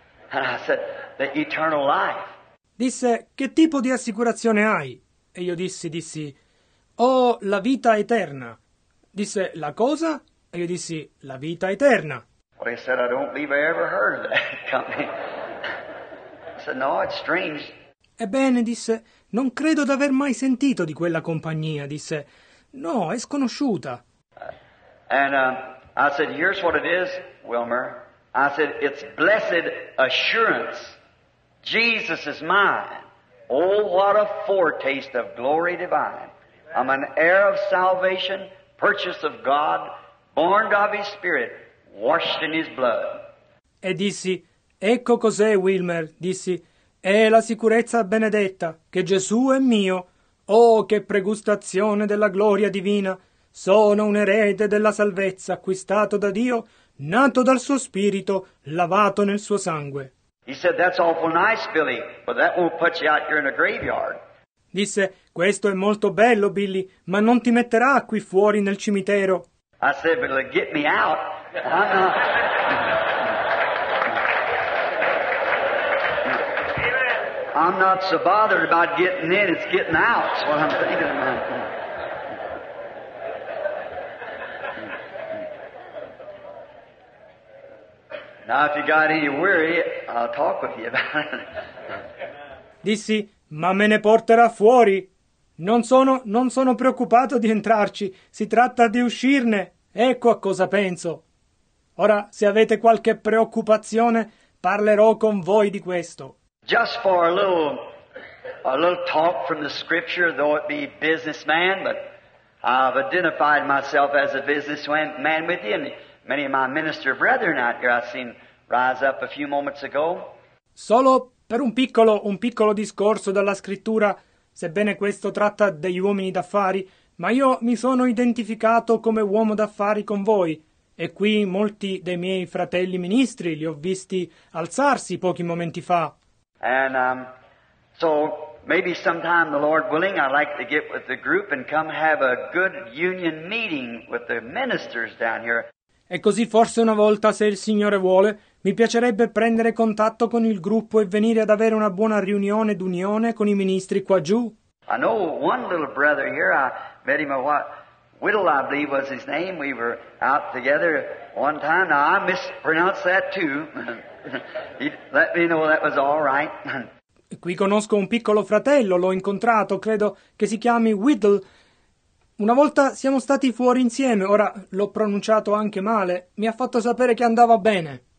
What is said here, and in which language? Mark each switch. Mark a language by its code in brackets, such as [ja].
[en] And I said, "The eternal life." [it] Disse, "Che tipo di assicurazione hai?" E io dissi, "Oh, la vita eterna." Disse, "La cosa?" E io dissi, "La vita eterna." [en] Well, he said, "I don't believe I ever heard of that company." I said, "No, it's strange." [it] Ebbene, disse, "Non credo d'aver mai sentito di quella compagnia." Disse, "No, è sconosciuta." [en] And I said, "Here's what it is, Wilmer. I said, it's blessed assurance. Jesus is mine. Oh, what a foretaste of glory divine. I'm an heir of salvation, purchase of God, born of his spirit, washed in his blood." [it] E dissi, "Ecco cos'è, Wilmer," dissi, "è la sicurezza benedetta, che Gesù è mio. Oh, che pregustazione della gloria divina. Sono un erede della salvezza, acquistato da Dio, nato dal suo spirito, lavato nel suo sangue." [en] He said, "That's awful nice, Billy, but that won't put you out here in a graveyard." [it] Disse, "Questo è molto bello, Billy, ma non ti metterà qui fuori nel cimitero." [en] I said, "But it'll get me out. I'm not..." "I'm not so bothered about getting in, it's getting out, that's what I'm thinking about." "Now if you got any worry, I'll talk with you about it." [it] Dissi, "Ma me ne porterà fuori. Non sono preoccupato di entrarci. Si tratta di uscirne. Ecco a cosa penso. Ora, se avete qualche preoccupazione, parlerò con voi di questo." [en] Just for a little talk from the scripture, though it be businessman, but I've identified myself as a businessman with you. Many of my minister brethren out here I've seen rise up a few moments ago. [it] Solo per un piccolo discorso dalla scrittura, sebbene questo tratta degli uomini d'affari, ma io mi sono identificato come uomo d'affari con voi, e qui molti dei miei fratelli ministri li ho visti alzarsi pochi momenti fa. [en] And so maybe sometime, the Lord willing, I'd like to get with the group and come have a good union meeting with the ministers down here. [it] E così forse una volta, se il Signore vuole, mi piacerebbe prendere contatto con il gruppo e venire ad avere una buona riunione d'unione con i ministri qua giù. [en] I know one little brother here, I met him a while, Whittle, I believe was his name, we were out together one time, now I mispronounced that too. He let me know that was all right. [it] Qui conosco un piccolo fratello, l'ho incontrato, credo che si chiami Whittle. Una volta siamo stati fuori insieme, ora l'ho pronunciato anche male, mi ha fatto sapere che andava bene.